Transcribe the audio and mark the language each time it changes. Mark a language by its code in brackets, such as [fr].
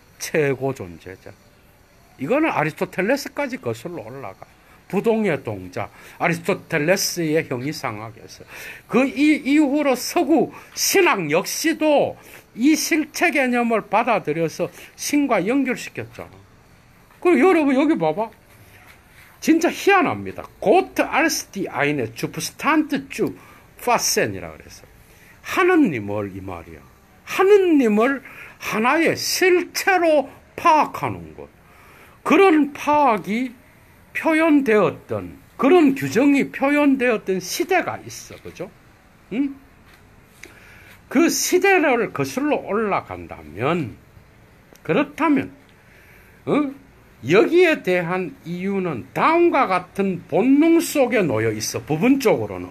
[ko] 최고 존재자. 이거는 아리스토텔레스까지 거슬러 올라가. 부동의 동자. 아리스토텔레스의 형이상학에서. 그 이후로 서구 신학 역시도 이 실체 개념을 받아들여서 신과 연결시켰잖아. 그리고 여러분, 여기 봐봐. 진짜 희한합니다. [de] Gott als die eine Substanz zu fassen [ko] 이라 그래서. 하느님을, 이 말이야. 하느님을 하나의 실체로 파악하는 것. 그런 파악이 표현되었던, 그런 규정이 표현되었던 시대가 있어. 그죠? 응? 그 시대를 거슬러 올라간다면, 그렇다면, 여기에 대한 이유는 다음과 같은 본능 속에 놓여 있어. 부분적으로는.